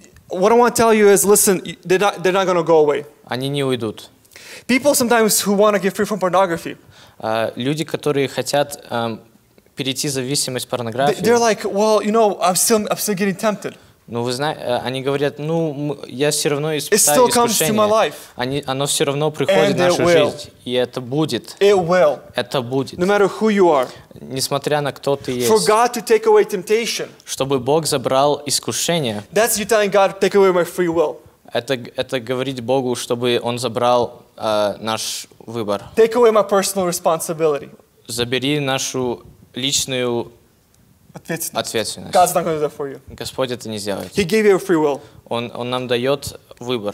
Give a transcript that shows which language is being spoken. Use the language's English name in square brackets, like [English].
[English] What I want to tell you is, listen, they're not going to go away. [Russian] Они не уйдут. [English] People sometimes who want to get free from pornography. [Russian] Люди, которые хотят перейти зависимость от порнографии. [English] They're like, well, you know, I'm still getting tempted. [Russian] Ну, вы знаете, они говорят, ну, я все равно испытаю искушение. Оно все равно приходит в нашу жизнь. И это будет. [English] It will. [Russian] Это будет. [English] No matter who you are. [Russian] Несмотря на кто ты есть. [English] For God to take away temptation. [Russian] Чтобы Бог забрал искушение. [English] That's you telling God, take away my free will. [Russian] Это говорить Богу, чтобы Он забрал наш выбор. [English] Take away my personal responsibility. [Russian] Забери нашу личную ответственность. [English] God's not going to do that for you. [Russian] Господь это не сделает. [English] He gave you a free will. [Russian] Он нам дает выбор.